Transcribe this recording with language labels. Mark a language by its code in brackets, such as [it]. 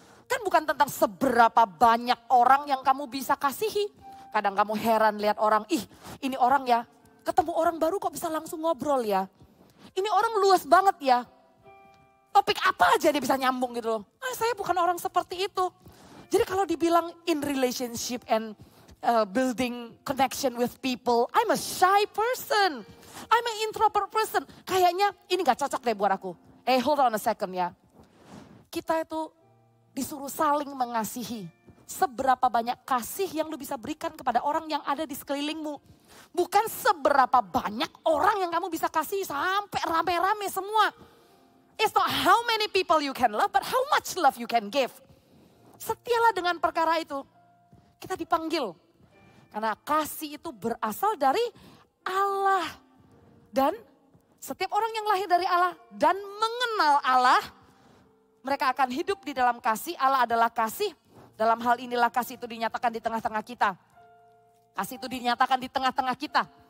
[id] Kan bukan tentang seberapa banyak orang yang kamu bisa kasihi. Kadang kamu heran lihat orang, ih ini orang ya, ketemu orang baru kok bisa langsung ngobrol ya. Ini orang luas banget ya. Topik apa aja dia bisa nyambung gitu loh. Nah, saya bukan orang seperti itu. Jadi kalau dibilang [en] in relationship and building connection with people, I'm a shy person. I'm an introvert person. [id] Kayaknya ini gak cocok deh buat aku. Eh, [en] hold on a second [id] ya. Kita itu disuruh saling mengasihi. Seberapa banyak kasih yang lu bisa berikan kepada orang yang ada di sekelilingmu. Bukan seberapa banyak orang yang kamu bisa kasih sampai rame-rame semua. [en] It's not how many people you can love, but how much love you can give. [id] Setialah dengan perkara itu. Kita dipanggil. Karena kasih itu berasal dari Allah. Dan setiap orang yang lahir dari Allah dan mengenal Allah, mereka akan hidup di dalam kasih. Allah adalah kasih. Dalam hal inilah kasih itu dinyatakan di tengah-tengah kita. Kasih itu dinyatakan di tengah-tengah kita.